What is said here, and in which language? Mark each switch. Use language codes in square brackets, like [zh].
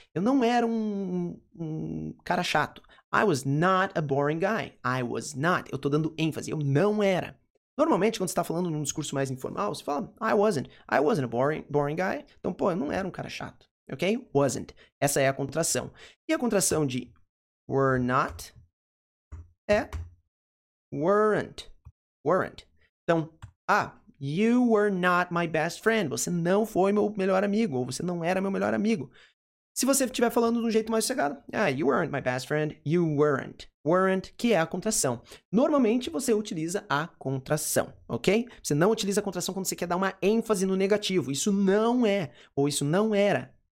[pt] Eu não era um cara chato. [en] I was not a boring guy. I was not. [pt] Eu tô dando ênfase. Eu não era. Normalmente, quando você está falando num discurso mais informal, você fala, [en] I wasn't a boring guy. [pt] Então, pô, eu não era um cara chato, ok? Wasn't. Essa é a contração. E a contração de were not é weren't, weren't. [en] Então, you were not my best friend. [pt] Você não foi meu melhor amigo, ou você não era meu melhor amigo. Se você estiver falando de um jeito mais sossegado, [en] you weren't my best friend, you weren't. [pt] Weren't, que é a contração. Normalmente, você utiliza a contração, ok? Você não utiliza a contração quando você quer dar uma ênfase no negativo. Isso não é, ou isso não era.